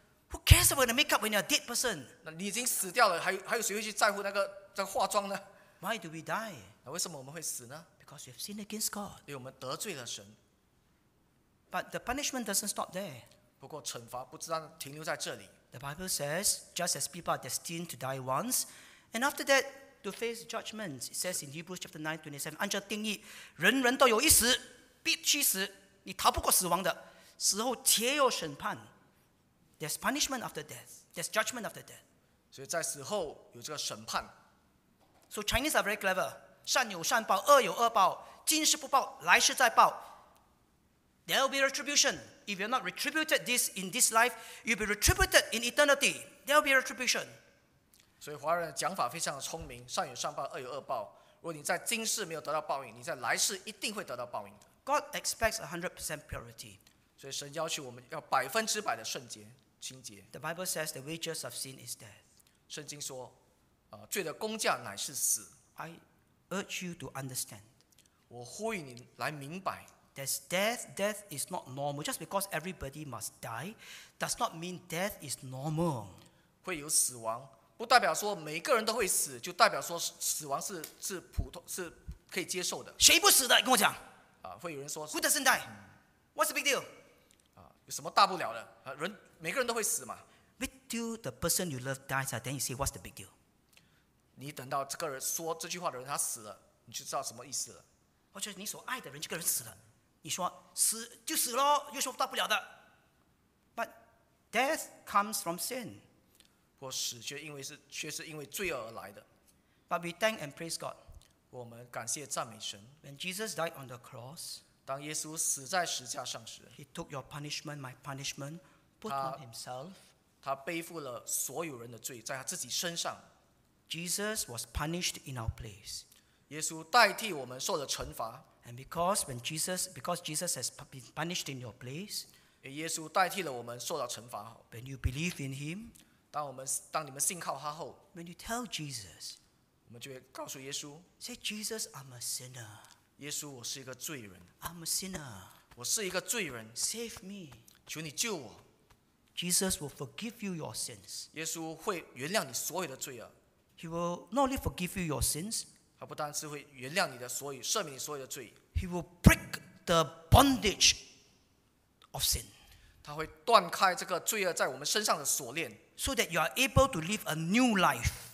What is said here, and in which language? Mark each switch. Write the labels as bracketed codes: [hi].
[en] Who cares about the makeup when you're a dead person? [zh] 你已经死掉了, 还有谁会去在乎那个化妆呢? [en] Why do we die? [zh] 为什么我们会死呢? [en] Because we have sinned against God. [zh] 因为我们得罪了神。 [en] But the punishment doesn't stop there. [zh] 不过惩罚不知道停留在这里。 [en] The Bible says, just as people are destined to die once, and after that, to face judgment, it says in Hebrews chapter 9, 27, [zh] 按照定义, 人人都有一死, 必须死, 你逃不过死亡的, 死后且有审判。 [en] There's punishment after death. There's judgment after death. [zh] 所以在死后有这个审判。 [en] So Chinese are very clever. [zh] 善有善报, 恶有恶报, 今世不报, 来世再报。 [en] There will be retribution. If you're not retributed this in this life, you'll be retributed in eternity. There will be retribution. [zh] 所以华人的讲法非常的聪明, 善有善报, 恶有恶报。如果你在今世没有得到报应, 你在来世一定会得到报应。 [en] God expects 100% purity. [zh] 所以神要求我们要100%的圣洁, [en] The Bible says the wages of sin is death. [zh] 圣经说, 罪的工价乃是死。 [en] I urge you to understand. [zh] 我呼吁你来明白。 [en] There's death. Death is not normal. Just because everybody must die, does not mean death is normal. [zh] 会有死亡, 不代表说每个人都会死, 就代表说死亡是普通, 是可以接受的。谁不死的, 跟我讲。会有人说, [en] Who doesn't die? What's the big deal? [zh] 有什么大不了的?人, 每个人都会死嘛? [en] Wait till the person you love dies, then you say, what's the big deal? [zh] 你等到这个人说这句话的人, 他死了, 你就知道什么意思了。或者你所爱的人, 这个人死了, 你说, 死, 就死咯, 有什么大不了的。 [en] But death comes from sin. [zh] 不过死却因为是, 却是因为罪而来的。 [en] But we thank and praise God. [zh] 我们感谢赞美神, [en] when Jesus died on the cross, [zh] 当耶稣死在十架上时, [en] He took your punishment, my punishment, put 他, on Himself. [zh] 他背负了所有人的罪, 在他自己身上。 [en] Jesus was punished in our place. [zh] 耶稣代替我们受了惩罚。 [en] And because Jesus has been punished in your place, [zh] 耶稣代替了我们受了惩罚。 [en] When you believe in Him, [zh] 当你们信靠他后, [en] when you tell Jesus, [zh] 我们就会告诉耶稣, [en] say, Jesus, I'm a sinner. [zh] 耶稣, 我是一个罪人, [en] I'm a sinner. [zh] 我是一个罪人, [en] save me. [zh] 求你救我。 [en] Jesus will forgive you your sins. [zh] 耶稣会原谅你所有的罪啊。 [en] He will not only forgive you your sins, [zh] 他不但是会原谅你的所有, 赦免你所有的罪, [en] He will break the bondage of sin. [zh] 他会断开这个罪恶在我们身上的锁链, [en] so that you are able to live a new life.